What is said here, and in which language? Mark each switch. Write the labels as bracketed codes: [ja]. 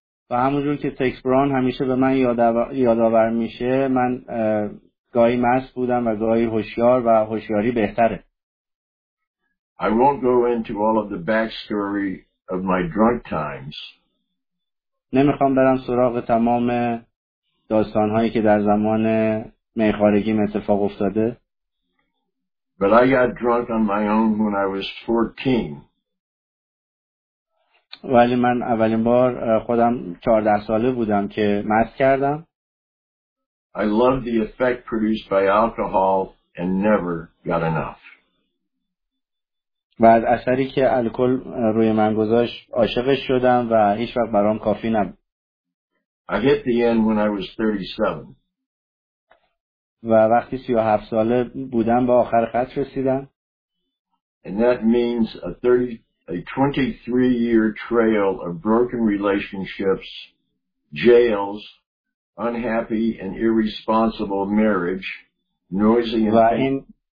[fa] و همونجور که تکس براون همیشه به من یادآور میشه من گاهی مست بودم و گاهی هوشیار و هوشیاری بهتره. [en] I won't go into all of the backstory of my drunk times. [fa] نمیخوام برم سراغ تمام داستانهایی که در زمان میخوارگیم اتفاق افتاده. [en] But I got drunk on my own when I was 14. [fa] ولی من اولین بار خودم 14 ساله بودم که مست کردم. [en] I loved the effect produced by alcohol and never got enough. [fa] و از اثری که الکل روی من گذاشت عاشقش شدم و هیچ وقت برام کافی نبود. [en] I hit the end when I was 37. [fa] و وقتی 37 ساله بودم به آخر خط رسیدم. [en] And that means a 23-year trail of broken relationships, jails, unhappy and irresponsible marriage, noisy and